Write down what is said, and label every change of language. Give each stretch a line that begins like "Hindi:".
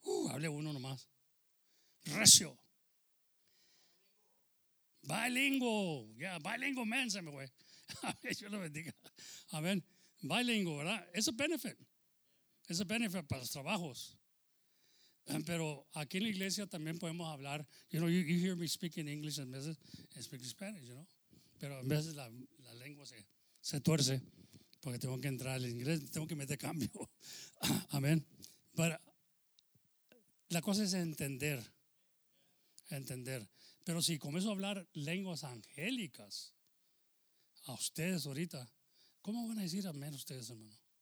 Spanish: Hable uno nomás. Recio.
English: Bilingual, yeah, bilingual man,
Spanish: se me fue. Yo lo bendiga. Amén. Bilingual, ¿verdad? Es un benefit. Es un benefit para los trabajos. Pero aquí en la iglesia también podemos hablar.
English: You know, you hear me speaking English and veces I speak Spanish, you know.
Spanish: Pero a veces la lengua se tuerce porque tengo que entrar al inglés, tengo que meter cambio. Amén. Pero la cosa es entender. Entender. Pero si comienzo a hablar lenguas angélicas a ustedes ahorita, ¿cómo van a decir amén ustedes, hermano?